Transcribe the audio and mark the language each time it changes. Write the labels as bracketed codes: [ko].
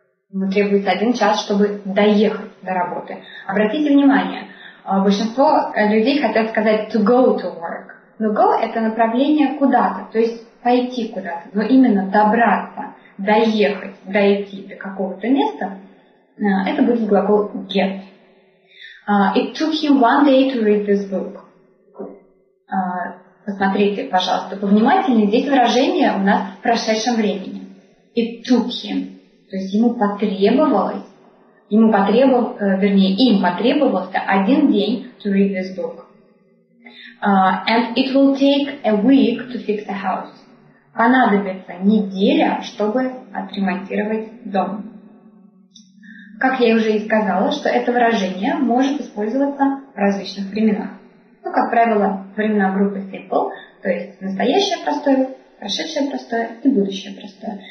[ru] Ему требуется 1 час, чтобы доехать до работы. Обратите внимание, большинство людей хотят сказать [en] to go to work. [ru] Но go – это направление куда-то, то есть пойти куда-то. Но именно добраться, доехать, дойти до какого-то места – это будет глагол get. [en] It took him 1 day to read this book. [ru] Посмотрите, пожалуйста, повнимательнее. Здесь выражение у нас в прошедшем времени. [en] It took him. [ru] То есть ему потребовалось, им потребовался 1 день [en] to read this book. And it will take a week to fix a house. [ru] Понадобится неделя, чтобы отремонтировать дом. Как я уже и сказала, что это выражение может использоваться в различных временах. Ну, как правило, времена группы simple, то есть настоящее простое, прошедшее простое и будущее простое.